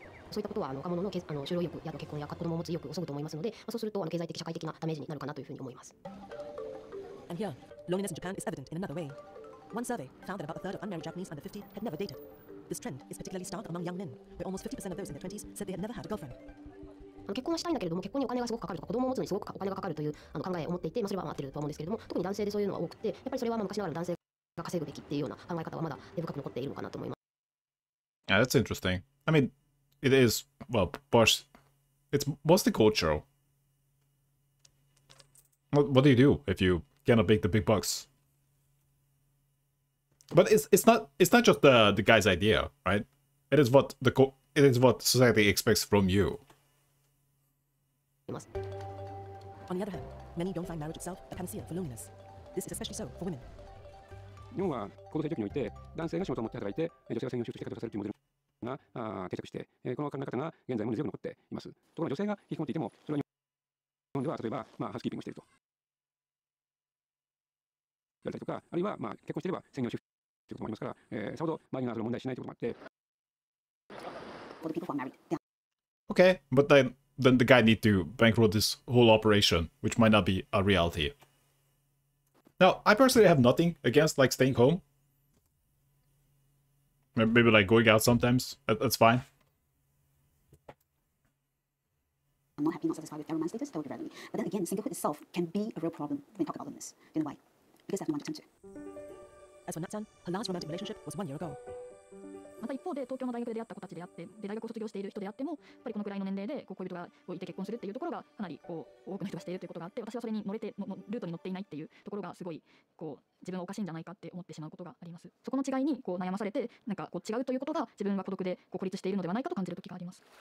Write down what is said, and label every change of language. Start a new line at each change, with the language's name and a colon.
Japanese: そういったことは若者の就労意欲や結婚や子供を持つ意欲を削ぐと思いますので、そうすると経済的社会的なダメージになるかなというふうに思います。
English: And here, loneliness in Japan is evident in another way. One survey found that about a third of unmarried Japanese under 50 had never dated. This trend is particularly stark among young men, where almost 50% of those in their 20s said they had never had a girlfriend.
Japanese: 結婚はしたいんだけれども、結婚にお金がすごくかかるとか、子供を持つのにすごくお金がかかるという考えを持っていて、それは合ってると思うんですけれども、特に男性でそういうのは多くて、やっぱりそれは昔ながら男性が稼ぐべきっていうような考え方はまだ根深く残っているのかなと思います。
English: Yeah, that's interesting. I mean,It is, well, it's mostly cultural. What do you do if you cannot make the big bucks? But it's not just the guy's idea, right? It is what society expects from you. On the other hand, many don't find marriage itself a panacea for loneliness. This is especially so for women.
Japanese: 日本は高度成長期において、男性が仕事を持って働いて、女性が専業主婦として働くというモデルが定着して、この考え方が現在も根強く残っています。ところが女性が引きこもっていても、それは日本では例えば、ハウスキーピングをしていると。言われたりとか、あるいは、結婚していれば専業主婦ということもありますから、さほど周りがそれを問題しないということもあって。
English: Okay, but then the guy need to bankroll this whole operation, which might not be a reality. Now, I personally have nothing against like staying home. Maybe like going out sometimes, that's fine. I'm not happy, not satisfied with everyone's status, totally rarely. But then again, singlehood itself can be a real problem when talking about this. Do you know why? Because I have no one to turn to. As for Natsan, her last romantic relationship was 1 year ago.
Japanese: また一方で、東京の大学で出会った子たちであって、で大学を卒業している人であっても、やっぱりこのくらいの年齢で恋人がいて結婚するっていうところが、かなりこう多くの人がしているということがあって、私はそれに乗れて、ルートに乗っていないっていうところが、すごいこう自分はおかしいんじゃないかって思ってしまうことがあります。そこの違いにこう悩まされて、なんかこう違うということが、自分は孤独でこう孤立しているのではないかと感じるときがあります。